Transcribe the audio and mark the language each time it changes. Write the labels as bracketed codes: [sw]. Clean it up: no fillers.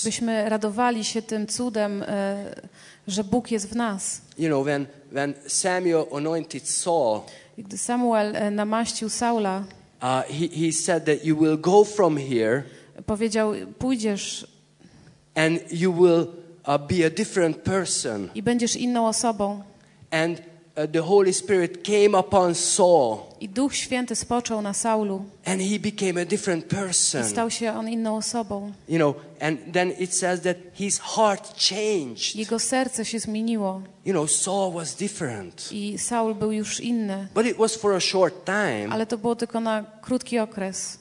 [pl] Byśmy radowali się tym cudem, że Bóg jest w nas. [en] You know, when Samuel anointed Saul. [pl] Gdy Samuel namaścił Saula. [en] He said that you will go from here. [pl] Powiedział, pójdziesz. [en] And you will be a different person. [pl] I będziesz inną osobą. [en] And the Holy Spirit came upon Saul. [pl] I Duch Święty spoczął na Saulu. [en] And he became a different person. [pl] I stał się on inną osobą. [en] You know, and then it says that his heart changed. [pl] Jego serce się zmieniło. [en] You know, Saul was different. [pl] I Saul był już inny. [en] But it was for a short time. [pl] Ale to było tylko na krótki okres.